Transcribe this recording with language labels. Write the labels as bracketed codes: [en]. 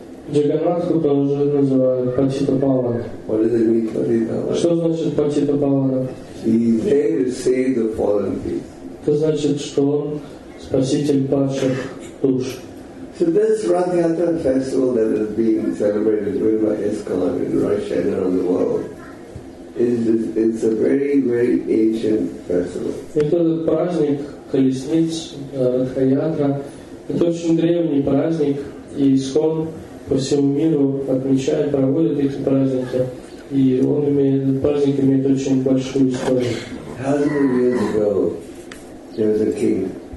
[ru] Джаганнатху тоже называют Патита Павана. [en] What does it mean, Патита Павана? [ru] Что значит Патита Павана? [en] He is there to save the fallen beings. [ru] Это значит, что он спаситель падших душ. [en] So this Ratha festival that is being celebrated by ISKCON in Russia and around the world is a very, very ancient festival. [ru] Это праздник колесниц Ратхиатра. Это очень древний праздник, и ИСККОН по всему миру отмечает, проводит эти праздники, и он имеет, праздник имеет очень большую историю.